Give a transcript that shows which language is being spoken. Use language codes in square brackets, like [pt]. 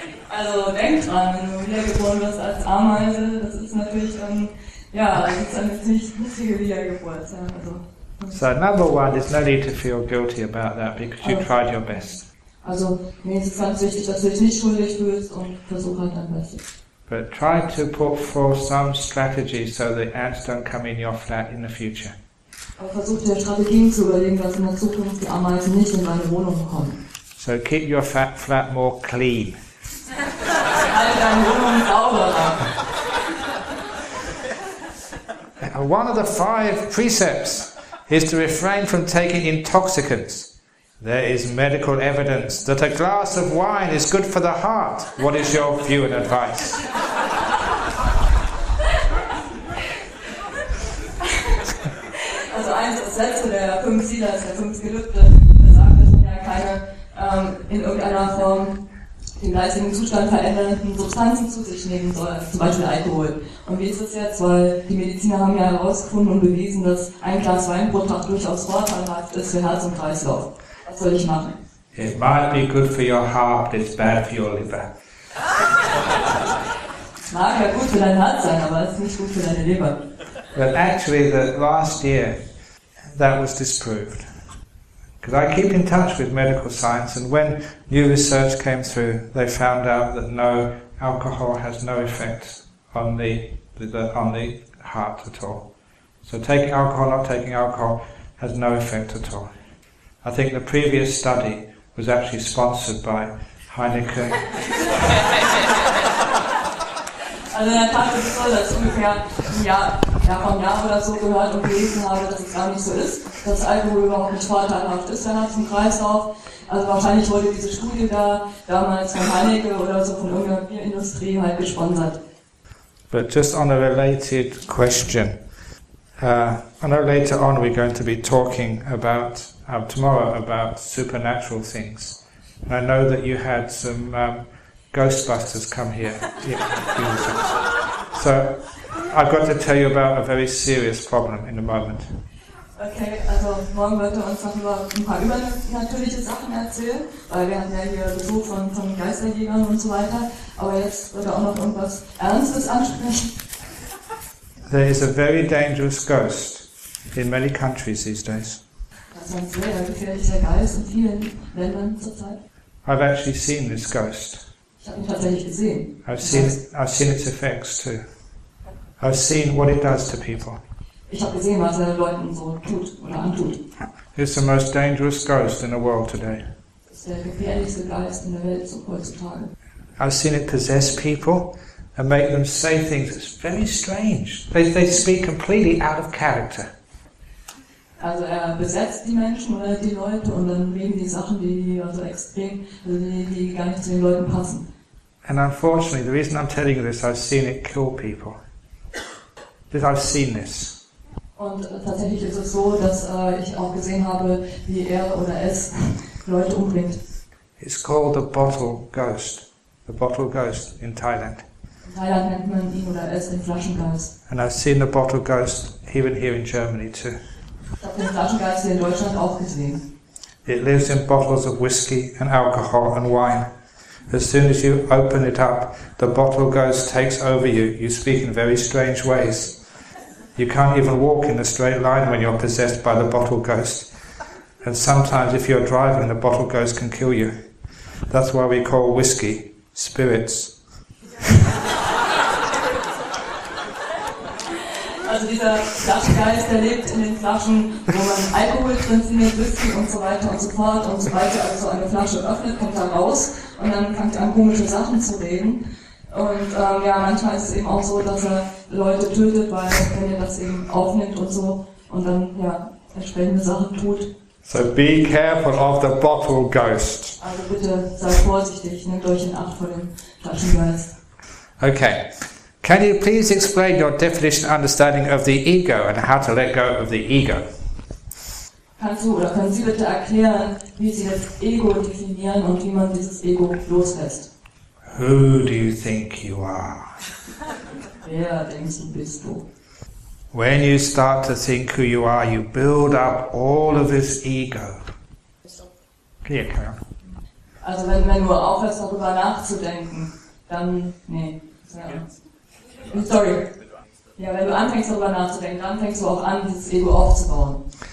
[de] Also denk dran, wenn du wiedergeboren wirst als Ameise, das ist natürlich ja, das ist eine ziemlich niedrige Wiedergeburt. [en] So number one, there's no need to feel guilty about that because you tried your best. [de] Also, mir ist es ganz wichtig, dass du dich nicht schuldig fühlst und versuch halt dein Bestes. [en] But try to put forth some strategies so the ants don't come in your flat in the future. [de] Aber versuch dir Strategien zu überlegen, dass in der Zukunft die Ameisen nicht in deine Wohnung kommen. [en] So keep your flat more clean. [de] Halt deine Wohnung sauberer. [en] One of the five precepts is to refrain from taking intoxicants. There is medical evidence that a glass of wine is good for the heart. What is your view and advice? [de] Also eins der Sätze der fünf Ziele, der fünf Gelübde, besagt, dass man ja keine in irgendeiner Form den geistigen Zustand verändernden Substanzen zu sich nehmen soll, zum Beispiel Alkohol. Und wie ist das jetzt? Weil die Mediziner haben ja herausgefunden und bewiesen, dass ein Glas Wein pro Tag durchaus vorteilhaft ist für Herz und Kreislauf. Was soll ich machen? [en] It might be good for your heart, it's bad for your liver. [de] Mag ja gut für dein Herz sein, aber es ist nicht gut für deine Leber. [en] Well, actually, the last year, that was disproved. Because I keep in touch with medical science, and when new research came through, they found out that no alcohol has no effect on the heart at all. So taking alcohol, not taking alcohol, has no effect at all. I think the previous study was actually sponsored by Heineken. [de] Also in der Tat ist es so, dass ich ungefähr vor einem Jahr oder so gehört und gelesen habe, dass es gar nicht so ist, dass Alkohol überhaupt nicht vorteilhaft ist, dann hat es einen Kreislauf. Also wahrscheinlich wurde diese Studie da damals von Heineken oder so von irgendeiner Bierindustrie halt gesponsert. [en] But just on a related question, later on we're going to be talking about, tomorrow, about supernatural things. And I know that you had some Ghostbusters come here. Yeah. So, I've got to tell you about a very serious problem in a moment. [de] Okay, also morgen wird er uns noch über ein paar übernatürliche Sachen erzählen, weil wir haben ja hier Besuch von Geisterjägern und so weiter. Aber jetzt wird er auch noch irgendwas Ernstes ansprechen. [en] There is a very dangerous ghost in many countries these days. [de] Das ist ein sehr gefährlicher Geist in vielen Ländern zurzeit. [en] I've actually seen this ghost. I've seen its effects too. I've seen what it does to people. [de] Ich habe gesehen, was er Leuten so tut oder antut. [en] It's the most dangerous ghost in the world today. [de] Das ist der gefährlichste Geist in der Welt so heutzutage. [en] I've seen it possess people and make them say things. It's very strange. They speak completely out of character. [de] Also er besetzt die Menschen oder die Leute und dann reden die Sachen, die gar nicht zu den Leuten passen. [en] And unfortunately, the reason I'm telling you this, I've seen it kill people. Because I've seen this. [de] Und tatsächlich ist es so, dass ich auch gesehen habe, wie er oder es Leute umbringt. [en] It's called the bottle ghost. The bottle ghost in Thailand. [de] In Thailand nennt man ihn oder es den Flaschengeist. [en] And I've seen the bottle ghost even here in Germany too. [de] Ich habe den Flaschengeist hier in Deutschland auch gesehen. [en] It lives in bottles of whiskey and alcohol and wine. As soon as you open it up, the bottle ghost takes over you. You speak in very strange ways. You can't even walk in a straight line when you're possessed by the bottle ghost. And sometimes if you're driving, the bottle ghost can kill you. That's why we call whiskey spirits. [de] Also dieser Flaschengeist, der lebt in den Flaschen, wo man Alkohol drin findet, Whisky und so weiter und so fort. Und sobald er also eine Flasche öffnet, kommt er raus und dann fängt er an, komische Sachen zu reden. Und manchmal ist es eben auch so, dass er Leute tötet, weil wenn er das eben aufnimmt und so und dann entsprechende Sachen tut. [en] So be careful of the bottle ghost. [de] Also bitte seid vorsichtig, nehmt euch in Acht vor dem Flaschengeist. Okay. [en] Can you please explain your definition and understanding of the ego and how to let go of the ego? [de] Kannst du oder können Sie bitte erklären, wie Sie das Ego definieren und wie man dieses Ego loslässt? [en] Who do you think you are? [de] Wer denkst du bist du? [en] When you start to think who you are, you build up all of this ego. Clear, carry on. [de] Also wenn du aufhörst darüber nachzudenken, dann wenn du anfängst darüber nachzudenken, dann fängst du auch an, dieses Ego aufzubauen.